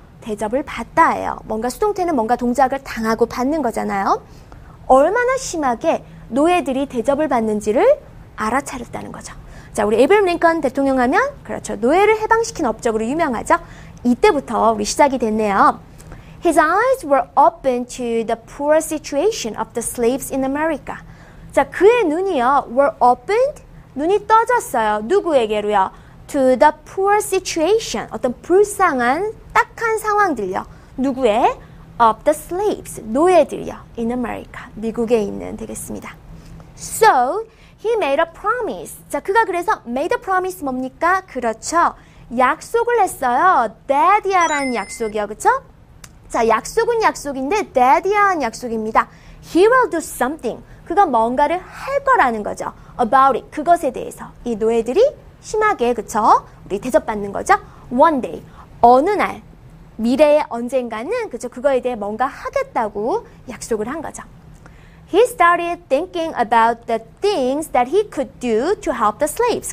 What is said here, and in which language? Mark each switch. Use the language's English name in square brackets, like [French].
[Korean] 대접을 받다예요. 뭔가 수동태는 뭔가 동작을 당하고 받는 거잖아요. 얼마나 심하게 노예들이 대접을 받는지를 알아차렸다는 거죠. 자, 우리 에이브럼 링컨 대통령 하면, 그렇죠, 노예를 해방시킨 업적으로 유명하죠. 이때부터 우리 시작이 됐네요. [English] His eyes were open to the poor situation of the slaves in America. [Korean] 자, 그의 눈이요. [English] were opened, [Korean] 눈이 떠졌어요. 누구에게로요? [English] To the poor situation, [Korean] 어떤 불쌍한, 딱한 상황들요. 누구의? [English] Of the slaves, [Korean] 노예들이요. [English] In America, [Korean] 미국에 있는 되겠습니다. [English] So, he made a promise. [Korean] 자, 그가 그래서 [English] made a promise [Korean] 뭡니까? 그렇죠. 약속을 했어요. Daddy야라는 약속이요. 그렇죠? 자, 약속은 약속인데 Daddy야라는 약속입니다. [English] He will do something. [Korean] 그가 뭔가를 할 거라는 거죠. [English] About it. [Korean] 그것에 대해서. 이 노예들이 심하게, 그렇죠? 우리 대접받는 거죠. [English] One day. [Korean] 어느 날. 미래의 언젠가는, 그렇죠? 그거에 대해 뭔가 하겠다고 약속을 한 거죠. [English] He started thinking about the things that he could do to help the slaves.